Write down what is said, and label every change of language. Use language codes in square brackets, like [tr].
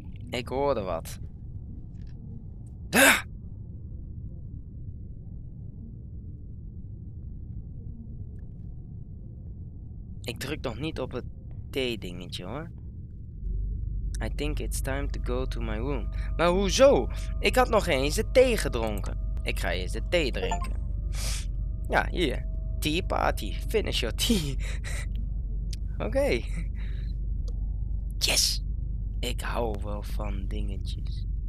[nl] Ik hoorde wat. Huh? Ik druk nog niet op het T-dingetje hoor. [en] I think it's time to go to my room. [nl] Maar hoezo? Ik had nog eens de thee gedronken. Ik ga eerst de thee drinken. Ja, hier. [en] Tea party. Finish your tea. Oké. Yes! [nl] Ik hou wel van dingetjes.